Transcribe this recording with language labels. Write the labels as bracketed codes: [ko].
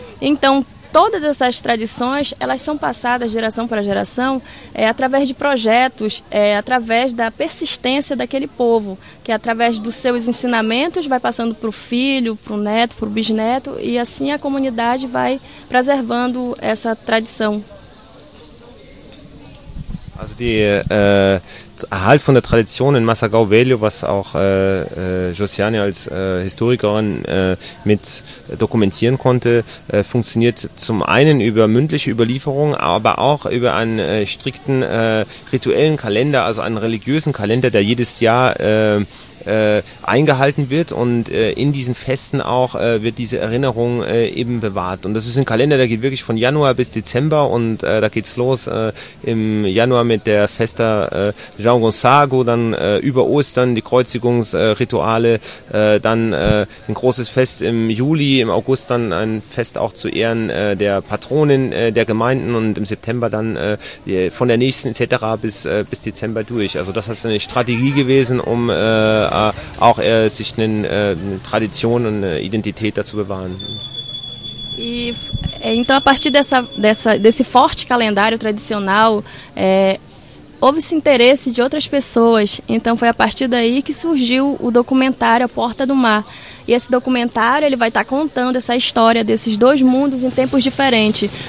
[pt] Então, todas essas tradições, elas são passadas geração para geração através de projetos, através da persistência daquele povo, que através dos seus ensinamentos vai passando para o filho, para o neto, para o bisneto, e assim a comunidade vai preservando essa tradição. [de] Also der Erhalt von der Tradition in Massagau Velho, was auch Josiane als Historikerin mit dokumentieren konnte, funktioniert zum einen über mündliche Überlieferung, aber auch über einen strikten rituellen Kalender, also einen religiösen Kalender, der jedes Jahr eingehalten wird, und in diesen Festen auch wird diese Erinnerung eben bewahrt. Und das ist ein Kalender, der geht wirklich von Januar bis Dezember, und da geht's los im Januar mit der Festa João Gonçalo, dann über Ostern die Kreuzigungsrituale, dann ein großes Fest im Juli, im August dann ein Fest auch zu Ehren der Patronin der Gemeinden, und im September dann von der nächsten etc. bis Dezember durch. Also das ist eine Strategie gewesen, um auch sich eine Tradition und eine Identität dazu bewahren. [pt] Então, a partir desse forte calendário tradicional, houve-se interesse de outras pessoas. Então, foi a partir daí que surgiu o documentário A Porta do Mar. E esse documentário, ele vai estar contando essa história desses dois mundos em tempos diferentes.